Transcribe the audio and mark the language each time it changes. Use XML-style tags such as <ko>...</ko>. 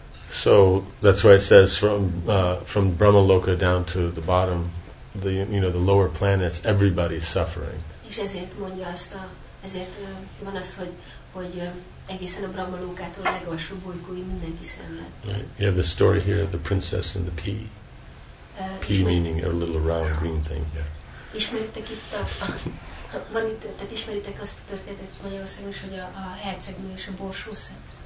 <en>So that's why it says from Brahma Loka down to the bottom, the, you know, the lower planets, everybody's suffering.</en> <hu>És ezért mondja azt a ezért van az, hogy egészen a Brahma Lokától a legalsó bolygóig mindenki szenved.</hu> <en>Right. You have the story here of the princess and the pea. Pea meaning a little round green thing. Yeah.</en> <hu>Ismeritek itt van itt, tehát ismeritek azt a történetet Magyarországon is, hogy a hercegnő és a borsószem.</hu>